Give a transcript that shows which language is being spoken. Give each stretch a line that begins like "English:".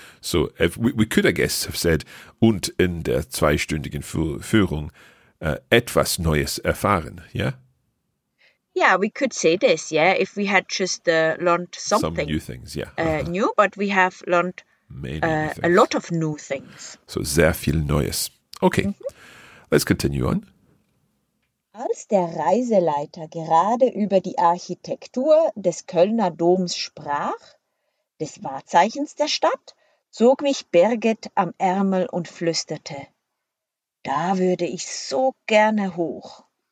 English: So if we could, I guess, have said,
German: und in der zweistündigen Führung etwas Neues erfahren,
English: yeah? Yeah, we could say this, yeah, if we had just learned something. Some new things, yeah. New, but we have learned a lot of new things. So
German: sehr viel Neues.
English: Okay, mm-hmm. Let's continue on.
German: Als der Reiseleiter gerade über die Architektur des Kölner Doms sprach, des Wahrzeichens der Stadt, zog mich Birgit am Ärmel und flüsterte, da würde ich so gerne hoch.